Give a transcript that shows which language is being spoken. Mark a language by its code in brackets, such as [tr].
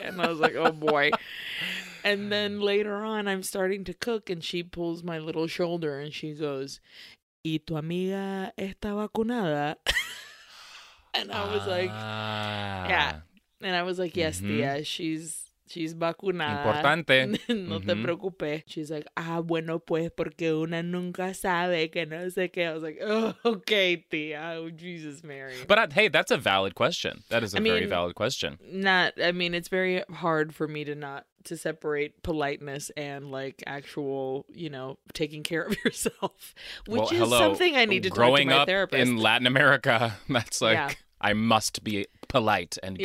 [en] And I was like, oh, boy. And then later on, I'm starting to cook, and she pulls my little shoulder, and she goes, [es] ¿Y tu amiga está vacunada? [en] And I was like, yeah. And I was like, yes, tía, she's vacunada. [es] Importante. No te preocupes. [en] She's like, [es] bueno, pues, porque una nunca sabe que no sé qué. [en] I was like, oh, okay, [es] tía. [en] Oh, Jesus, Mary. But hey, that's a valid question. That is a very valid question. It's very hard for me to separate politeness and, like, actual, you know, taking care of yourself, something I need to growing talk to my up therapist. In Latin America, that's like, I must be polite and good.